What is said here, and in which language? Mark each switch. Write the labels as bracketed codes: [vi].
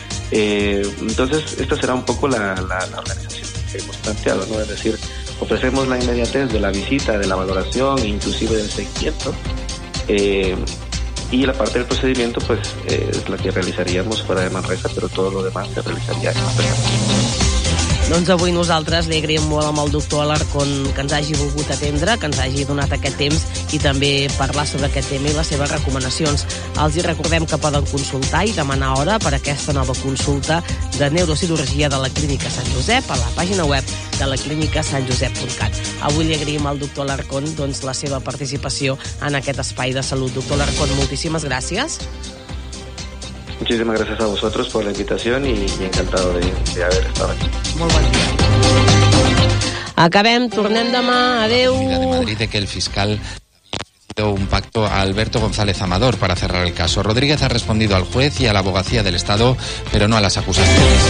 [es] Entonces, esta será un poco la organización que hemos planteado, ¿no? Es decir, ofrecemos la inmediatez de la visita, de la valoración, inclusive del seguimiento, y la parte del procedimiento, pues, es la que realizaríamos fuera de Manresa, pero todo lo demás se realizaría en Manresa. [ca] Doncs avui nosaltres li agraïm molt amb el doctor Alarcón que ens hagi volgut atendre, que ens hagi donat aquest temps i també parlar sobre aquest tema i les seves recomanacions. Els hi recordem que poden consultar i demanar hora per aquesta nova consulta de neurocirurgia de la Clínica Sant Josep a la pàgina web de la clínica santjosep.cat. Avui li agraïm al doctor Alarcón, doncs, la seva participació en aquest espai de salut. Doctor Alarcón, moltíssimes gràcies. [es] Muchísimas gracias a vosotros por la invitación y encantado de haber estado aquí. [ca] Molt bon dia. Acabem, tornem demà. Adéu. [es] La Comunidad de Madrid de que el fiscal un pacto a Alberto González Amador para cerrar el caso. Rodríguez ha respondido al juez y a la abogacía del Estado, pero no a las acusaciones.